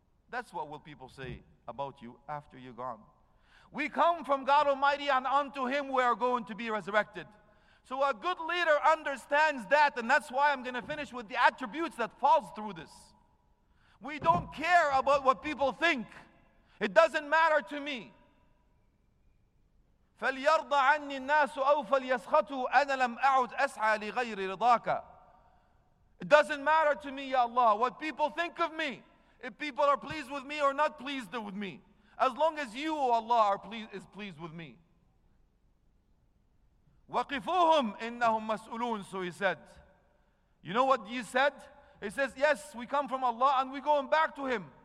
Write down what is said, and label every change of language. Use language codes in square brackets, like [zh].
[en] That's what will people say about you after you're gone. We come from God Almighty and unto Him we are going to be resurrected. So a good leader understands that, and that's why I'm going to finish with the attributes that falls through this. We don't care about what people think. It doesn't matter to me. [ar] فليرضى عني الناس أو فليسخطوا أنا لم أعد أسعى لغير رضاك. [en] It doesn't matter to me, Ya Allah, what people think of me, if people are pleased with me or not pleased with me, as long as you, O Allah, is pleased with me. [ar] وَقِفُوهُمْ إِنَّهُمْ مَسْئُلُونَ. [en] So he said, you know what you said? He says, yes, we come from Allah and we're going back to him.